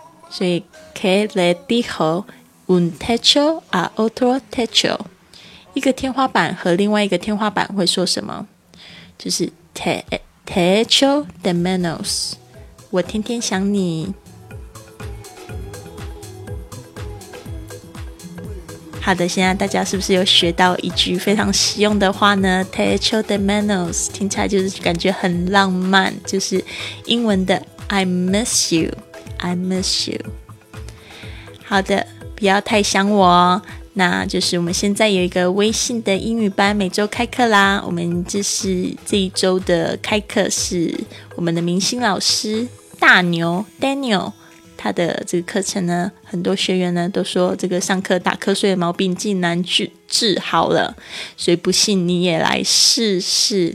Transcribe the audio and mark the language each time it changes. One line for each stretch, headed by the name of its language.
Chinese: 所以
Spanish: que le dijo un techo a otro techo，
Chinese: 一个天花板和另外一个天花板会说什么，就是
Spanish: techo de menos，
Chinese: 我天天想你。好的，现在大家是不是有学到一句非常实用的话呢？
Spanish: techo de menos
Chinese: 听起来就是感觉很浪漫，就是英文的
English: I miss youI miss you。
Chinese: 好的，不要太想我哦。那就是我们现在有一个微信的英语班每周开课啦，我们就是这一周的开课是我们的明星老师大牛 Daniel， 他的这个课程呢很多学员呢都说这个上课打瞌睡的毛病竟然治好了，所以不信你也来试试。